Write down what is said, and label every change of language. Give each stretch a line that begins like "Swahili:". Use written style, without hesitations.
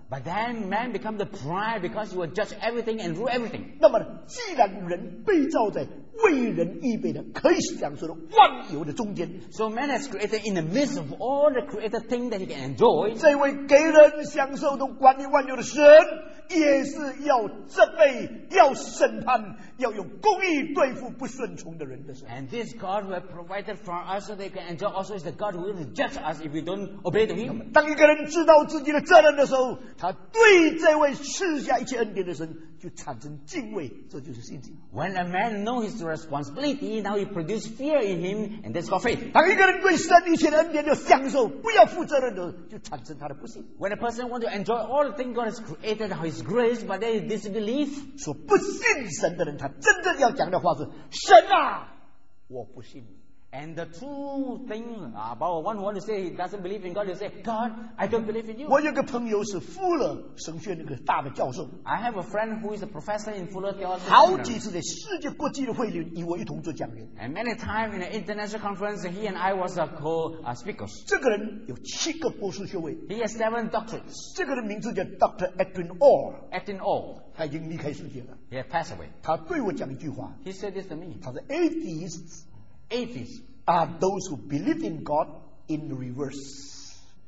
English: But then man become the prime because he will judge everything and rule everything.
Chinese: 那么既然人被造在为人预备的可以享受的万有的中间
English: ，So man has created in the midst of all the created thing that he can enjoy.
Chinese: 这位给人享受的管理万有的神。也是要责备，要审判，要用公义对付不顺从的人的神。
English: And this God who has provided for us so they can enjoy also is the God who will judge us if we don't obey to Him.
Chinese: 当一个人知道自己的责任的时候，他对这位赐下一切恩典的神就产生敬畏，这就是信心。
English: When a man knows his responsibility, now he produces fear in him, and that's called faith.
Chinese: 当一个人对神一切的恩典就享受，不要负责任的，就产生他的不信。
English: When a person wants to enjoy all the things God has created, how His grace, but there is disbelief.
Chinese: 说不信神的人，他真正要讲的话是：神啊，我不信你。
English: And the two things about one who wants to say he doesn't believe in God, you say, God, I don't believe in you.
Chinese: 我有个朋友是富勒神学那个大的教授。
English: I have a friend who is a professor in Fuller Theology.
Chinese: 好几次在世界国际的会里与我一同做讲员。
English: And many times in an international conference, he and I was a co-speakers.
Chinese: 这个人有七个博士学位。
English: He has 7 doctorates.
Chinese: 这个人名字叫 Dr. Edwin Orr.
English: Edwin Orr.
Chinese: 他已经离开世界了。
English: He has passed away.
Chinese: 他对我讲一句话。
English: He said this to me.
Chinese: 他是atheists。
English: Atheists are those who believe in God in reverse.